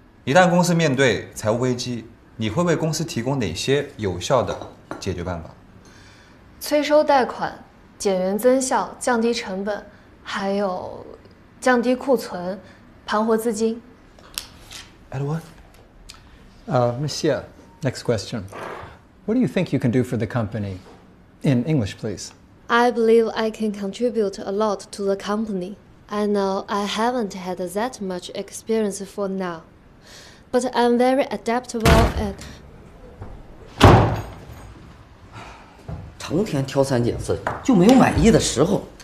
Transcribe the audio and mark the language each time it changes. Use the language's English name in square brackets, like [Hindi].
[Chinese] 一旦公司面对财务危机，你会为公司提供哪些有效的解决办法？催收贷款、减员增效、降低成本，还有降低库存、盘活资金。 [English] Edward， Monsieur， next question。 What do you think you can do for the company? In English, please. I believe I can contribute a lot to the company. I know I haven't had that much experience for now, but I'm very adaptable and... [Chinese] 成天挑三拣四，就没有满意的时候。